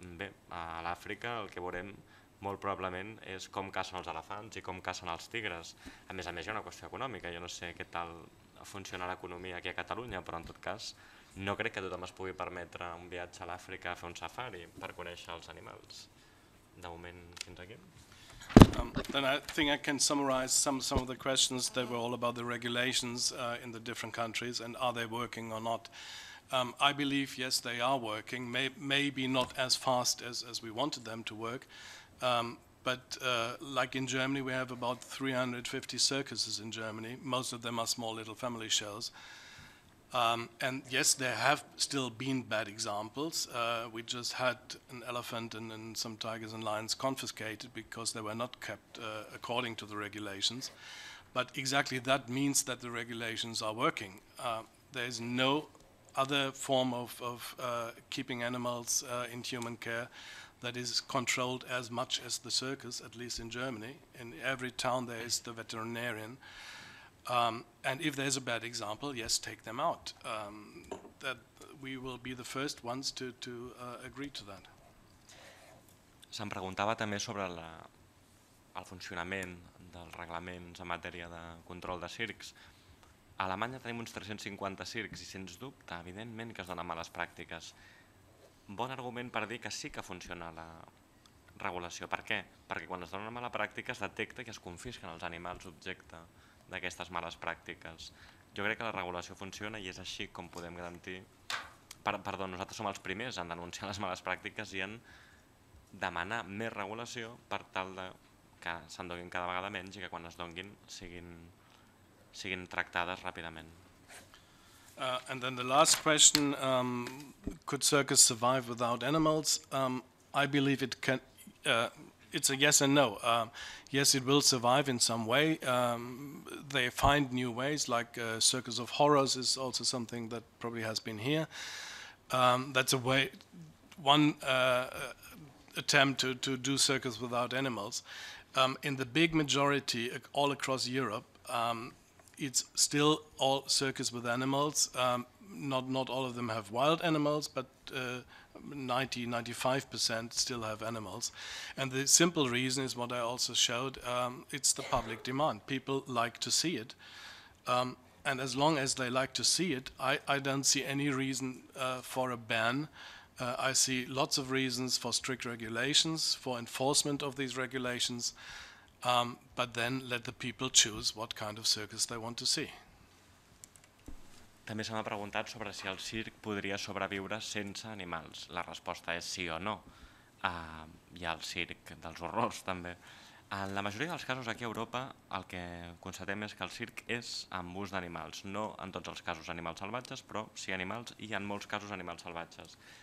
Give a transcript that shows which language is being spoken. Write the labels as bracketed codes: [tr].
[ca] Bé, a l'Àfrica el que veurem molt probablement és com cacen els elefants i com cacen els tigres. A més, hi ha una qüestió econòmica. Jo no sé què tal funciona l'economia aquí a Catalunya, però en tot cas no crec que tothom es pugui permetre un viatge a l'Àfrica a fer un safari per conèixer els animals. De moment, fins aquí. [en] Then I think I can summarize some of the questions that were all about the regulations in the different countries and are they working or not. I believe, yes, they are working, maybe not as fast as we wanted them to work, but like in Germany, we have about 350 circuses in Germany. Most of them are small little family shows. And yes, there have still been bad examples. We just had an elephant and some tigers and lions confiscated because they were not kept according to the regulations. But exactly that means that the regulations are working. There's no other form of keeping animals in human care that is controlled as much as the circus, at least in Germany. In every town there is the veterinarian. And if there's a bad example, yes, take them out. That we will be the first ones to agree to that. [ca] Se'm preguntava també sobre el funcionament dels reglaments en matèria de control de circs. A Alemanya tenim uns 350 circs i, sens dubte, evidentment que es donen males pràctiques. Bon argument per dir que sí que funciona la regulació. Per què? Perquè quan es dona una mala pràctica es detecta i es confisquen els animals objecte d'aquestes males pràctiques. Jo crec que la regulació funciona i és així com podem garantir... Perdó, nosaltres som els primers en denunciar les males pràctiques i en demanar més regulació per tal de que se'n donin cada vegada menys i que quan es donin siguin tractades ràpidament. [en] And then the last question, could circus survive without animals? I believe it can, it's a yes and no. Yes, it will survive in some way. They find new ways, like Circus of Horrors is also something that probably has been here. That's a way, one attempt to do circus without animals. In the big majority all across Europe, it's still all circus with animals. Not all of them have wild animals, but 90-95% still have animals. And the simple reason is what I also showed, it's the public demand. People like to see it. And as long as they like to see it, I don't see any reason for a ban. I see lots of reasons for strict regulations, for enforcement of these regulations. But then let the people choose what kind of circus they want to see. [ca] També se m'ha preguntat sobre si el circ podria sobreviure sense animals. La resposta és sí o no. Hi ha el circ dels horrors, també. En la majoria dels casos aquí a Europa, el que constatem és que el circ és amb ús d'animals. No en tots els casos animals salvatges, però sí animals, i en molts casos animals salvatges.